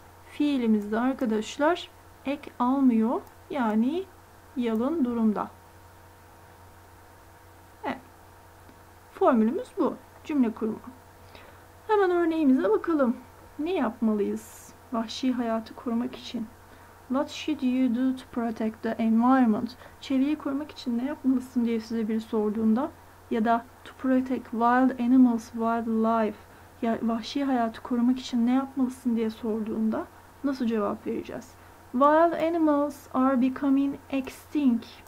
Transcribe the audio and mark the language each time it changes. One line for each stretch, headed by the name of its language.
Turkish: Fiilimiz de arkadaşlar ek almıyor. Yani yalın durumda. Formülümüz bu. Cümle kurma. Hemen örneğimize bakalım. Ne yapmalıyız vahşi hayatı korumak için?
English: What should you do to protect the environment?
Turkish: Çevreyi korumak için ne yapmalısın diye size biri sorduğunda, ya da
English: to protect wild animals, wildlife,
Turkish: ya vahşi hayatı korumak için ne yapmalısın diye sorduğunda nasıl cevap vereceğiz?
English: Wild animals are becoming extinct.